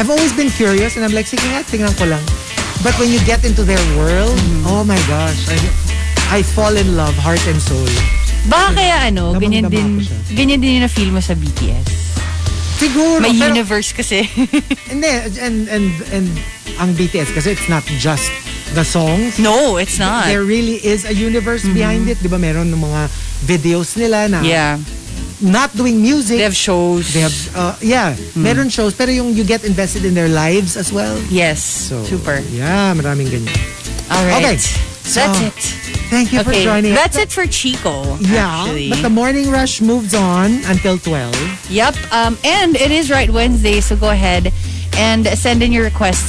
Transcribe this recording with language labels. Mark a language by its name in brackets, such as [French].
[English] I've always been curious and I'm like, [Filipino] sige nga, tingnan ko lang. [English] But when you get into their world, oh my gosh, I fall in love, heart and soul. [Filipino] Baka kaya ano, ganyan din yung na-feel mo sa BTS. Siguro. May universe kasi. [English] And ang BTS, kasi it's not just the songs. No, it's not. There really is a universe behind it. [Filipino] Diba meron ng mga videos nila na [English] not doing music. They have shows. They have, meron shows. Pero yung you get invested in their lives as well. Yes, so, super. [Filipino] Yeah, maraming ganyan. [English] Alright. Okay. So, that's it. Thank you for joining. That's it for Chico, actually. But the morning rush moves on until 12. Yep. And it is right Wednesday, so go ahead and send in your requests.